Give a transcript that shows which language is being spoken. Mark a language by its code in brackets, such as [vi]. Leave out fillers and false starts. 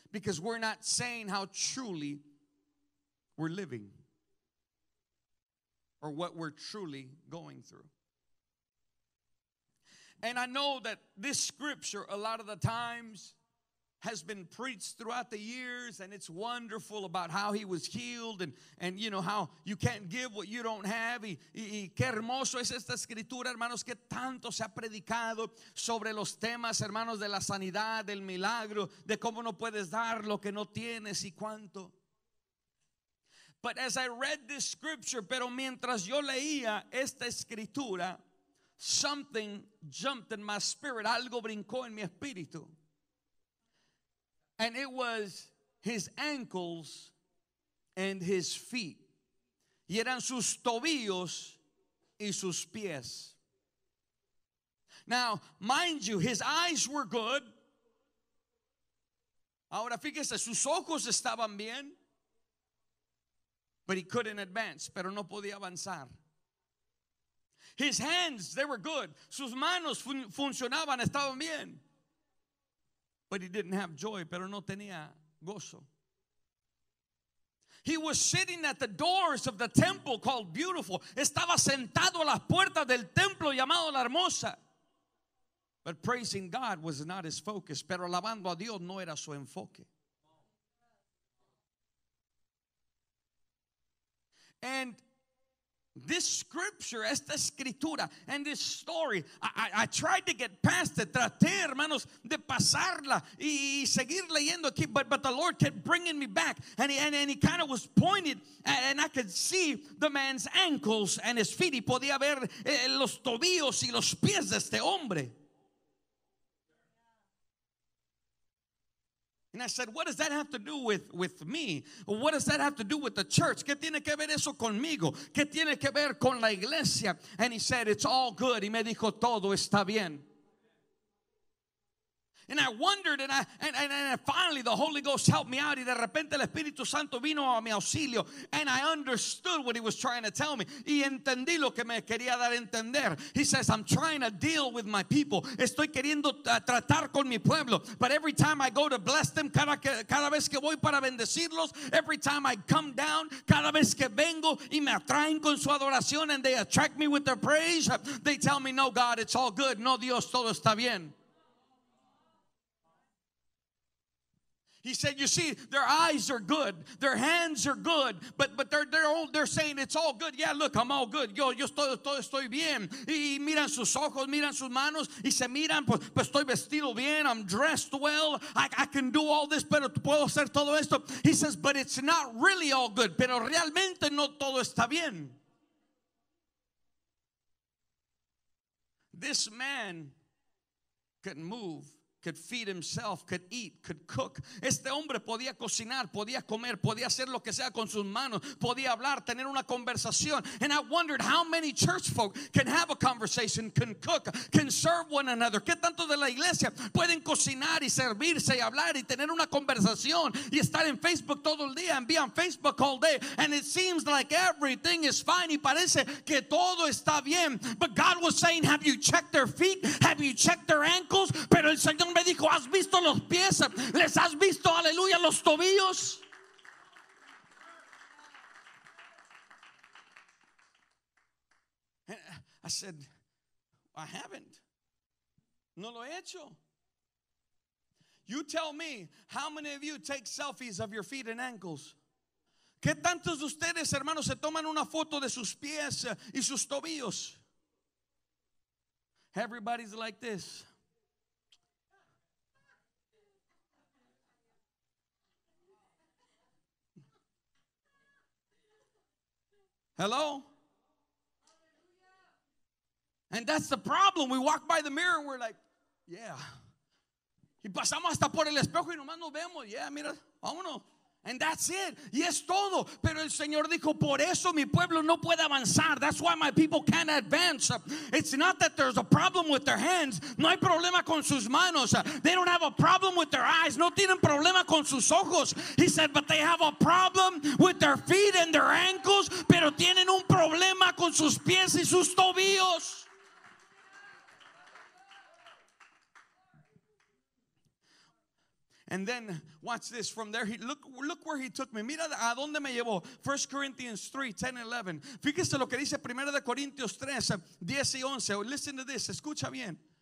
[en] Because we're not saying how truly we're living or what we're truly going through. And I know that this scripture a lot of the times has been preached throughout the years, and it's wonderful about how he was healed and you know how you can't give what you don't have. [es] Y qué hermoso es esta escritura, hermanos, que tanto se ha predicado sobre los temas, hermanos, de la sanidad, del milagro, de cómo no puedes dar lo que no tienes y cuánto. [en] But as I read this scripture, [es] pero mientras yo leía esta escritura, [en] something jumped in my spirit. [es] Algo brincó en mi espíritu. [en] And it was his ankles and his feet. [es] Y eran sus tobillos y sus pies. [en] Now, mind you, his eyes were good. [es] Ahora fíjese, sus ojos estaban bien. [en] But he couldn't advance, [es] pero no podía avanzar. [en] His hands, they were good. [es] Sus manos funcionaban, estaban bien. [en] But he didn't have joy, [es] pero no tenía gozo. [en] He was sitting at the doors of the temple called Beautiful. [es] Estaba sentado a las puertas del templo llamado La Hermosa. [en] But praising God was not his focus, [es] pero alabando a Dios no era su enfoque. [en] And this scripture, [es] esta escritura, [en] and this story, I tried to get past it. [es] Traté, hermanos, de pasarla y seguir leyendo aquí, [en] but the Lord kept bringing me back, and he kind of was pointed, and I could see the man's ankles and his feet. [es] Y podía ver los tobillos y los pies de este hombre. [en] And I said, what does that have to do with me? What does that have to do with the church? [es] ¿Qué tiene que ver eso conmigo? ¿Qué tiene que ver con la iglesia? [en] And he said, it's all good. [es] Y me dijo, todo está bien. [en] And I wondered, and finally the Holy Ghost helped me out. [es] Y de repente el Espíritu Santo vino a mi auxilio. [en] And I understood what he was trying to tell me. [es] Y entendí lo que me quería dar a entender. [en] He says, I'm trying to deal with my people. [es] Estoy queriendo tratar con mi pueblo. [en] But every time I go to bless them, [es] cada vez que voy para bendecirlos, [en] every time I come down, [es] cada vez que vengo y me atraen con su adoración, [en] and they attract me with their praise, they tell me, no, God, it's all good. [es] No, Dios, todo está bien. [en] He said, you see, their eyes are good, their hands are good, but they're saying it's all good. Yeah, look, I'm all good. [es] Yo estoy bien. Y miran sus ojos, miran sus manos, y se miran, pues estoy vestido bien, [en] I'm dressed well, I can do all this, [es] pero puedo hacer todo esto. [en] He says, but it's not really all good, [es] pero realmente no todo está bien. [en] This man couldn't move. Could feed himself, could eat, could cook. [es] Este hombre podía cocinar, podía comer, podía hacer lo que sea con sus manos, podía hablar, tener una conversación. [en] And I wondered how many church folk can have a conversation, can cook, can serve one another. [es] ¿Qué tanto de la iglesia pueden cocinar y servirse y hablar y tener una conversación y estar en Facebook todo el día [en] and be on Facebook all day? And it seems like everything is fine. [es] Y parece que todo está bien. [en] But God was saying, have you checked their feet? Have you checked their ankles? [es] Pero el Señor me dijo, ¿has visto los pies? ¿Les has visto, aleluya, los tobillos? [en] I said, I haven't. [es] No lo he hecho. [en] You tell me, how many of you take selfies of your feet and ankles? [es] ¿Qué tantos de ustedes, hermanos, se toman una foto de sus pies y sus tobillos? [en] Everybody's like this. Hello? And that's the problem. We walk by the mirror and we're like, yeah. [es] Y pasamos hasta por el espejo y nomás nos vemos. [en] Yeah, [es] mira, vámonos. [en] And that's it. [es] Y es todo. Pero el Señor dijo, por eso mi pueblo no puede avanzar. [en] That's why my people can't advance. It's not that there's a problem with their hands. [es] No hay problema con sus manos. [en] They don't have a problem with their eyes. [es] No tienen problema con sus ojos. [en] He said, but they have a problem with their feet and their ankles. [es] Pero tienen un problema con sus pies y sus tobillos. [en] And then watch this. From there, look where he took me. [es] Mira a dónde me llevó. [en] 1 Corinthians 3, 10 and 11. [es] Fíjese lo que dice 1 Corinthians 3, 10 y 11. [en] Listen to this. [es] Escucha bien.